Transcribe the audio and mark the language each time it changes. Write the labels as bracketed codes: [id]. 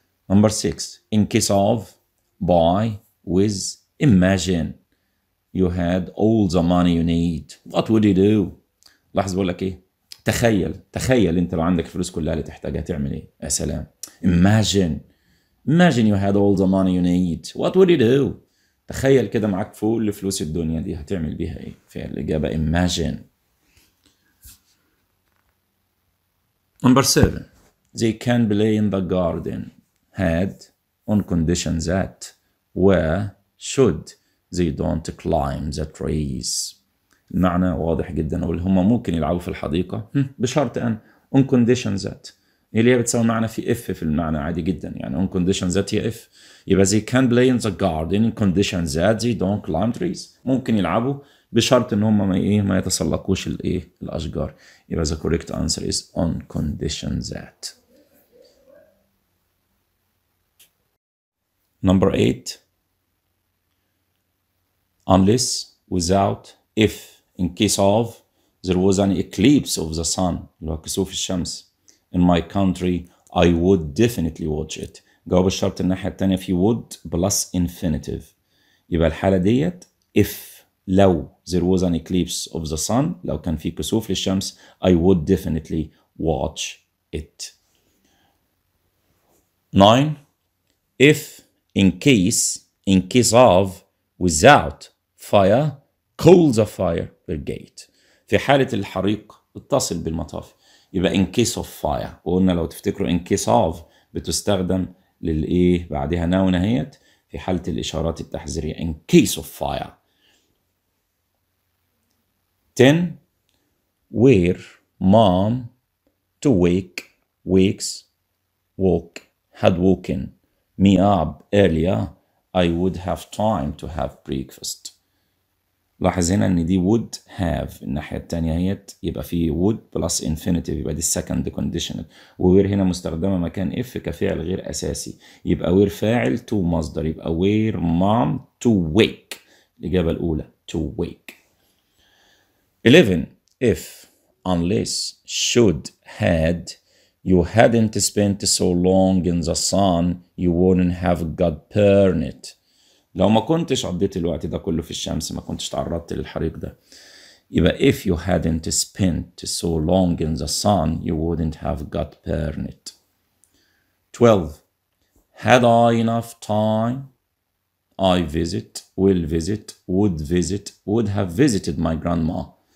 [en] Number 6. In case of, buy, with, imagine. You had all the money you need. What would you do? [ar] لاحظ بقول لك إيه؟ تخيل. تخيل أنت لو عندك فلوس كلها اللي تحتاجها تعمل إيه؟ يا سلام. [en] Imagine you had all the money you need. What would you do? [ar] تخيل كده معك فول لفلوس الدنيا دي هتعمل بيها إيه؟ في الإجابة imagine. [en] Number 7. They can play in the garden. Had on condition that where should they don't climb the trees. [ar] المعنى واضح جدا. أقول هما ممكن يلعبوا في الحديقة بشرط أن [en] on condition that. [ar] اللي هي بتسوي معنى في if في المعنى عادي جدا. يعني on condition that هي if. [en] يبقى they can play in the garden on condition that they don't climb trees. [ar] ممكن يلعبوا بشرط ان هم ما يتسلقوش الايه الاشجار. [en] يبقى the correct answer is on condition that. Number 8. Unless, without, if, in case of, there was an eclipse of the sun, [ar] اللي هو كسوف الشمس, [en] in my country, I would definitely watch it. [ar] جواب الشرط الناحية التانية في [en] would plus infinitive. [ar] يبقى الحالة ديت [en] if, لو there was an eclipse of the sun, [ar] لو كان في كسوف للشمس, [en] I would definitely watch it. 9. If, in case of, without, fire, call the fire brigade. [ar] في حالة الحريق اتصل بالمطاف. [en] يبقى in case of fire. [ar] وقلنا لو تفتكروا in case of بتستخدم للإيه بعدها ناون هيت في حالة الإشارات التحذيرية. [en] In case of fire. 10. Where mom to wake, wakes, walk, had woken me up earlier, I would have time to have breakfast. [ar] لاحظ هنا ان دي [en] would have. [ar] الناحية التانية هيت يبقى في [en] would plus infinitive. [ar] يبقى دي [en] second conditional. [ar] where هنا مستخدمة مكان if كفعل غير أساسي. يبقى where فاعل to مصدر. يبقى [en] where mom to wake. [ar] الإجابة الأولى [en] to wake. [ar] 11. [en] If, unless, should, had, you hadn't spent so long in the sun, you wouldn't have got burned. [ar] لو ما كنتش قضيت الوقت ده كله في الشمس ما كنتش تعرضت للحريق ده. [en] يبقى if you hadn't spent so long in the sun, you wouldn't have got burned. 12. Had I enough time? I visit, will visit, would have visited my grandma.